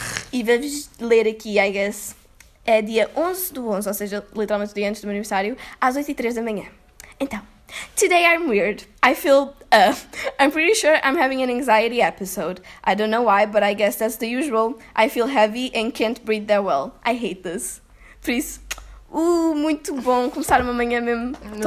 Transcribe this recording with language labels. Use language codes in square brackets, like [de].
[pt] E vamos ler aqui, I guess. É dia 11/11, ou seja, literalmente o dia antes do meu aniversário, às 8:03 da manhã. [en] Então, today I'm weird. I feel, I'm pretty sure I'm having an anxiety episode. I don't know why, but I guess that's the usual. I feel heavy and can't breathe that well. I hate this. [pt] Por isso, muito bom começar uma manhã mesmo top.